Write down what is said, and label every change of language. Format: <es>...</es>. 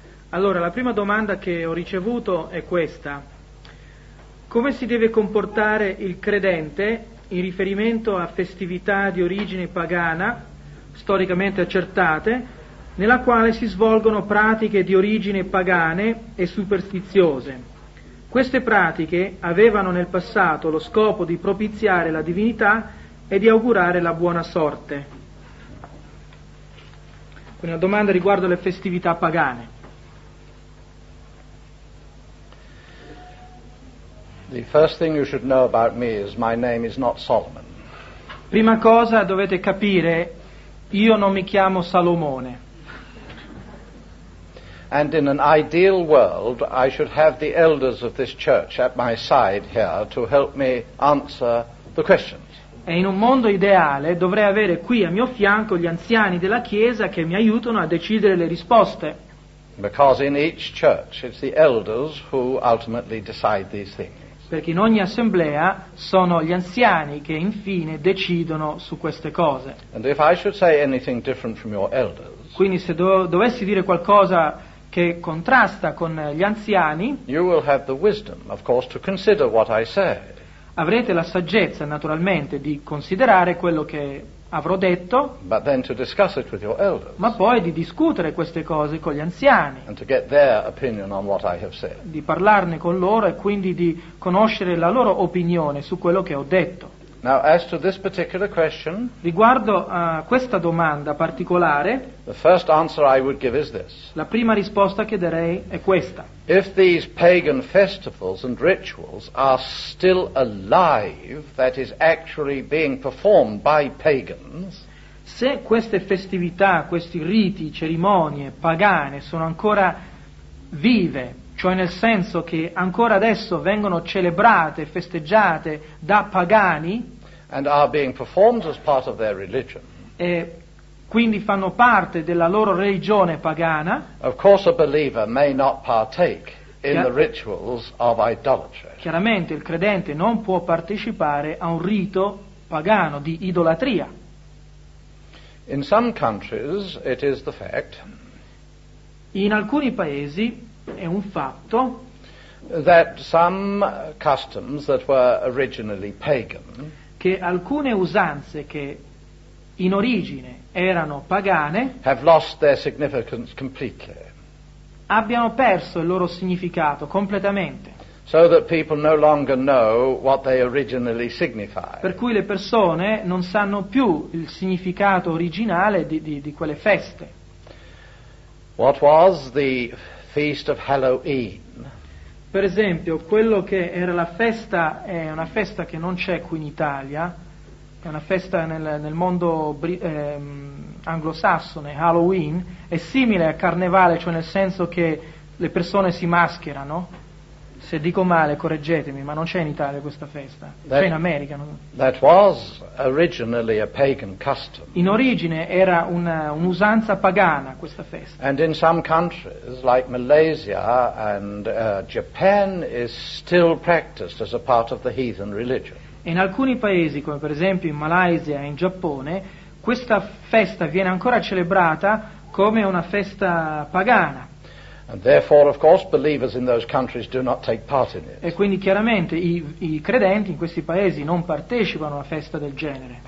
<it>Allora, la prima domanda che ho ricevuto è questa. Come si deve comportare il credente in riferimento a festività di origine pagana, storicamente accertate, nella quale si svolgono pratiche di origine pagane e superstiziose? Queste pratiche avevano nel passato lo scopo di propiziare la divinità e di augurare la buona sorte. Quindi una domanda riguardo le festività pagane.</it> <en>The first thing you should know about me is my name is not Solomon.</en> <it>Prima cosa dovete capire, io non mi chiamo Salomone.</it> <en>And in an ideal world, I should have the elders of this church at my side here to help me answer the questions.</en> <it>E in un mondo ideale dovrei avere qui a mio fianco gli anziani della Chiesa che mi aiutano a decidere le risposte.</it> <en>Because in each church it's the elders who ultimately decide these things.</en> <it>Perché in ogni assemblea sono gli anziani che infine decidono su queste cose.</it> <en>And if I should say anything different from your elders,</en> <it>quindi se dovessi dire qualcosa che contrasta con gli anziani,</it> <en>you will have the wisdom, of course, to consider what I say.</en> <it>Avrete la saggezza, naturalmente, di considerare quello che avrò detto,</it> <en>but then to discuss it with your elders,</en> <it>ma poi di discutere queste cose con gli anziani,</it> <en>and to get their opinion on what I have said,</en> <it>di parlarne con loro e quindi di conoscere la loro opinione su quello che ho detto.</it> <en>Now, as to this particular question,</en> <it>riguardo a questa domanda particolare,</it> <en>the first answer I would give is this.</en> <it>La prima risposta che darei è questa.</it> <en>If these pagan festivals and rituals are still alive, that is actually being performed by pagans,</en> <it>se queste festività, questi riti, cerimonie pagane sono ancora vive, cioè nel senso che ancora adesso vengono celebrate, festeggiate da pagani,</it> <en>and are being performed as part of their religion,</en> <it>e quindi fanno parte della loro religione pagana,</it> <en>of course a believer may not partake in the rituals of idolatry.</en> <it>Chiaramente il credente non può partecipare a un rito pagano di idolatria.</it> <en>In some countries it is the fact,</en> <it>in alcuni paesi è un fatto,</it> <en>that some customs that were originally pagan,</en> <it>che alcune usanze che in origine erano pagane,</it> <en>have lost their significance completely,</en> <it>abbiano perso il loro significato completamente,</it> <en>so that people no longer know what they originally signify,</en> <it>per cui le persone non sanno più il significato originale di quelle feste.</it> <en>What was the feast of Halloween?</en> <it>Per esempio, quello che era la festa, è una festa che non c'è qui in Italia, è una festa nel mondo anglosassone, Halloween, è simile a carnevale, cioè nel senso che le persone si mascherano. Se dico male, correggetemi, ma non c'è in Italia questa festa, c'è in America.</it> <en>That was originally a pagan custom.</en> <it>In origine era un'usanza pagana questa festa.</it> <en>And in some countries, like Malaysia and Japan, is still practiced as a part of the heathen religion.</en> <it>In alcuni paesi, come per esempio in Malaysia e in Giappone, questa festa viene ancora celebrata come una festa pagana.</it> <en>And therefore, of course, believers in those countries do not take part in it.</en> <it>E quindi chiaramente i credenti in questi paesi non partecipano a una festa del genere.</it>